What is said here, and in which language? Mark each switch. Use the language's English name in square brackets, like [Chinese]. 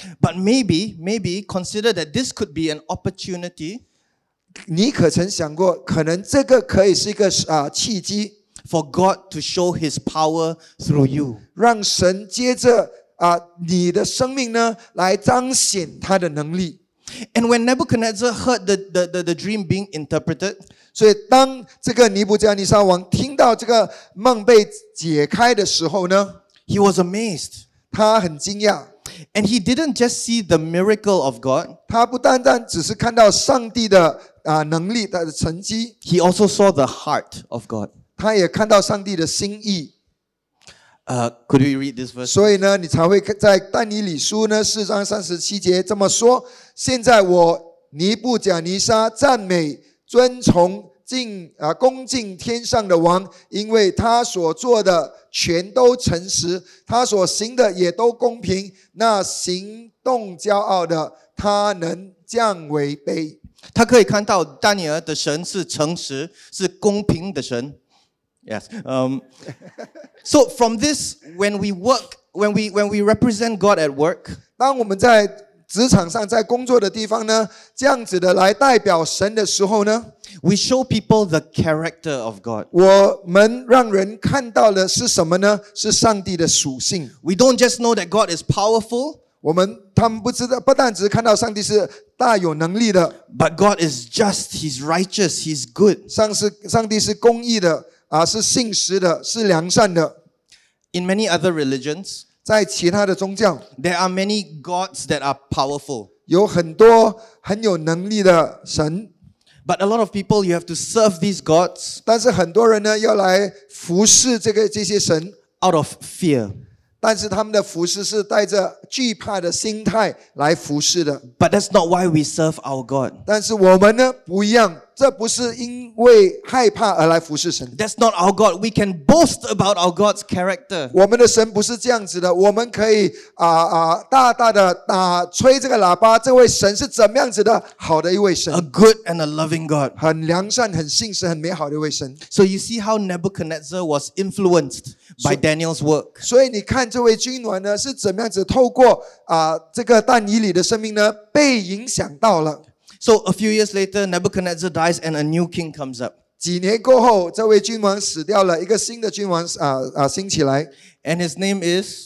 [English] But maybe consider that this could be an opportunity, [Chinese] 你可曾想过，可能这个可以是一个契机 [English] ，for God to show His power through you， [Chinese] 让神接着你的生命呢来彰显他的能力。 [English] And when Nebuchadnezzar heard the dream being interpreted， [Chinese] 所以当这个尼布加尼撒王听到这个梦被解开的时候呢 [English] ，he was amazed， [Chinese] 他很惊讶。 [English] And he didn't just see the miracle of God. [Chinese] 他不单单只是看到上帝的能力的成绩。 [English] He also saw the heart of God. [Chinese] 他也看到上帝的心意。 [English] Could we read this verse? [Chinese] 所以呢，你才会在但以理书呢四章三十七节这么说：现在我尼布甲尼撒赞美尊崇恭敬天上的王，因为他所做的全都诚实，他所行的也都公平。那行动骄傲的，他能降为卑。他可以看到但以理的神是诚实，是公平的神。 [English] Yes. So from this, when we represent God at work, [Chinese] 当我们在职场上在工作的地方呢，这样子的来代表神的时候呢， [English] we show people the character of God. [Chinese] 我们让人看到的是什么呢？是上帝的属性。 [English] We don't just know that God is powerful. [Chinese] 我们他们不知道，不但只是看到上帝是大有能力的， [English] but God is just, He's righteous, He's good. [Chinese] 上帝是公义的。是信实的，是良善的。 [English] In many other religions, [Chinese] 在其他的宗教， [English] there are many gods that are powerful. [Chinese] 有很多很有能力的神。 [English] But a lot of people, you have to serve these gods. [Chinese] 但是很多人呢，要来服侍这些神。 [English] Out of fear. [Chinese] 但是他们的服侍是带着惧怕的心态来服侍的。 [English] But that's not why we serve our God. [Chinese] 但是我们呢，不一样。这不是因为害怕而来服侍神。 [English] That's not our God. We can boast about our God's character. [Chinese] 我们的神不是这样子的。我们可以大大的吹这个喇叭，这位神是怎么样子的？好的一位神。 [English] A good and a loving God. [Chinese] 很良善、很信实、很美好的一位神。 [English] So you see how Nebuchadnezzar was influenced by Daniel's work. [Chinese] 所以你看这位君王呢，是怎么样子透过这个但以理的生命呢，被影响到了。 [English] So a few years later, Nebuchadnezzar dies and a new king comes up. [Chinese] 几年过后，这位君王死掉了，一个新的君王兴起来。 [English] And his name is?